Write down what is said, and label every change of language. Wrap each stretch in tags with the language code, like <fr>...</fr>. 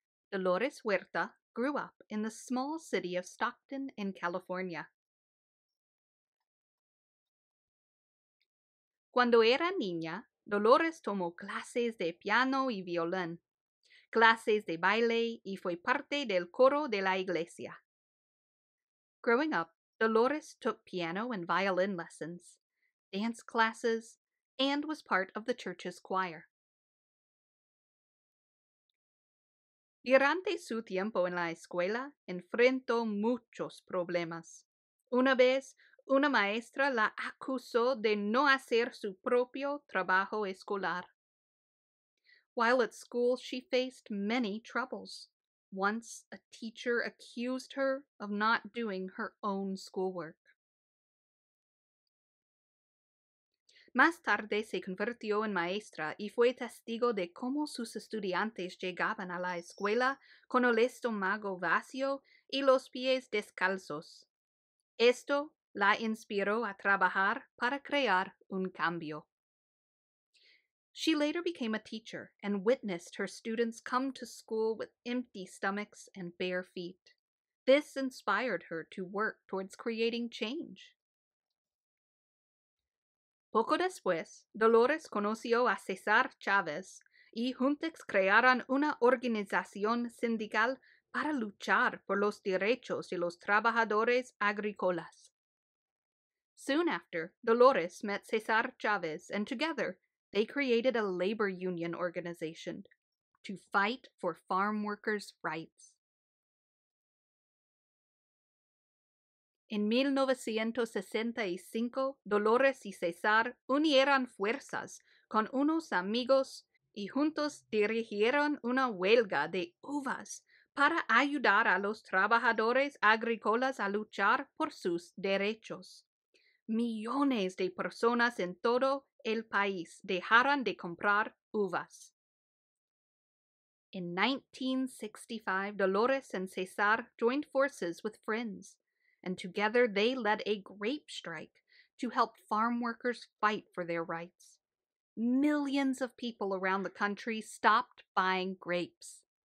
<en>Dolores Huerta grew up in the small city of Stockton, in California.</en> <es>Cuando era niña, Dolores tomó clases de piano y violín, clases de baile y fue parte del coro de la iglesia.</es> <en>Growing up, Dolores took piano and violin lessons, dance classes, and was part of the church's choir.</en> <es>Durante su tiempo en la escuela, enfrentó muchos problemas. Una vez, una maestra la acusó de no hacer su propio trabajo escolar.</es> <en>While at school, she faced many troubles. Once, a teacher accused her of not doing her own schoolwork.</en> <es>Más tarde se convirtió en maestra y fue testigo de cómo sus estudiantes llegaban a la escuela con el estómago vacío y los pies descalzos. Esto la inspiró a trabajar para crear un cambio.</es> <en>She later became a teacher and witnessed her students come to school with empty stomachs and bare feet. This inspired her to work towards creating change.</en> <es>Poco después, Dolores conoció a César Chávez y juntos crearon una organización sindical para luchar por los derechos de los trabajadores agrícolas.</es> <en>Soon after, Dolores met César Chávez and together they created a labor union organization to fight for farm workers' rights.</en> <es>En 1965, Dolores y César unieron fuerzas con unos amigos y juntos dirigieron una huelga de uvas para ayudar a los trabajadores agrícolas a luchar por sus derechos. Millones de personas en todo el país dejaron de comprar uvas.</es> <en>In 1965, Dolores and César joined forces with friends. And together they led a grape strike to help farm workers fight for their rights. Millions of people around the country stopped buying grapes.</en>